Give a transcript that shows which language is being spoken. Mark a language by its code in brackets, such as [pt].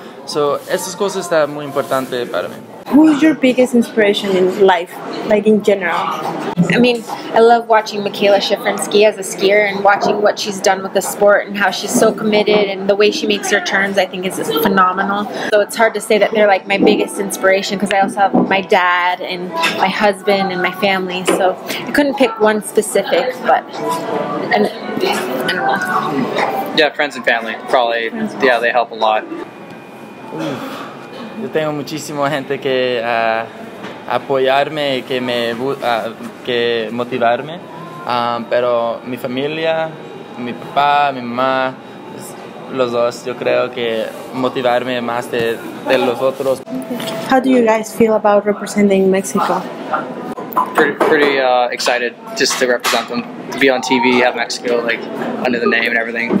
[es] So, esas cosas están muy importantes para mí. [en] Who's your biggest inspiration in life, like in general? I mean, I love watching Michaela Schifrin ski as a skier and watching what she's done with the sport and how she's so committed and the way she makes her turns, I think, is just phenomenal. So it's hard to say that they're like my biggest inspiration because I also have my dad and my husband and my family. So I couldn't pick one specific, but I don't know. Yeah, friends and family, probably. Yeah, they help a lot. [es] Yo tengo muchísima gente que apoyarme y que me que motivarme, pero mi familia, mi papá, mi mamá, los dos, yo creo que motivarme más de los otros. [en] How do you guys feel about representing Mexico? Pretty excited just to represent them, to be on TV, have Mexico like under the name and everything.